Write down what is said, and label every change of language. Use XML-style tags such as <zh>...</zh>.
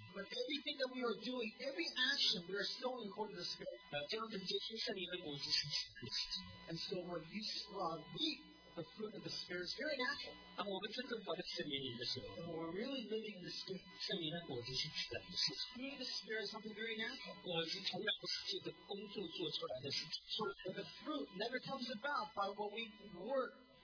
<en>But everything that we are doing, every action we are sowing according to the Spirit.</en> <zh>将整结出圣灵的果子是属灵的事情。</zh> <en>And so when you reap the fruit of the Spirit, it's very natural.</en> <zh>当我们真正靠着圣灵的时候，</zh> <en>And we're really living in the Spirit.</en> <zh>圣灵的果子是自然的事情。</zh> <en>Fruit of the Spirit is something very natural.</en> <zh>果子从来不是借着工作做出来的事情。</zh> <en>But the fruit never comes about by what we work.</en>